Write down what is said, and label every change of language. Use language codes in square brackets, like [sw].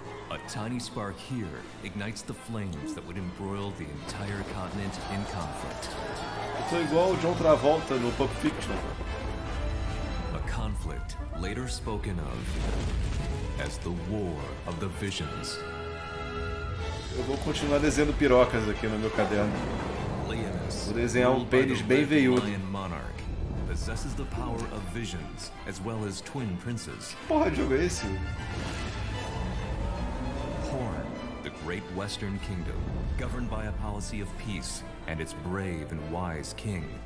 [en] A tiny spark here ignites the flames that would embroil the entire continent in conflict. [pt] Eu tô igual o John Travolta no Pulp Fiction. [en] A conflict later spoken of as the War of the Visions. [pt] Eu vou continuar desenhando pirocas aqui no meu caderno. Leonis, vou desenhar um pênis bem veiudo. [en] Possesses the power of visions as well as twin princes. [pt] Porra, jogo é esse? [en] Horn, the great western kingdom, governed by a policy of peace and its brave and wise king.